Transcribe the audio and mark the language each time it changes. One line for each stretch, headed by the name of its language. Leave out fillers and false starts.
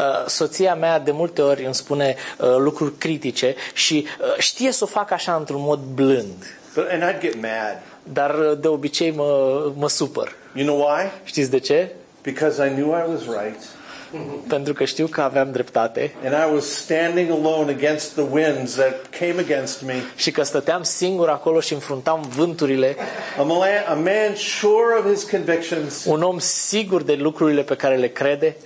Romanian: Soția mea de multe ori îmi spune lucruri critice și știe să o facă așa într-un mod blând.
English: But, and I'd get mad.
Romanian: Dar de obicei mă supăr.
English: You know why?
Romanian: Știți de ce?
English: Because I knew I was right.
Romanian: Pentru că știu că aveam dreptate.
English: And I was standing alone against the winds that came against me.
Romanian: Și că stăteam singur acolo și înfruntam vânturile.
English: A man sure of his convictions.
Romanian: Un om sigur de lucrurile pe care le crede.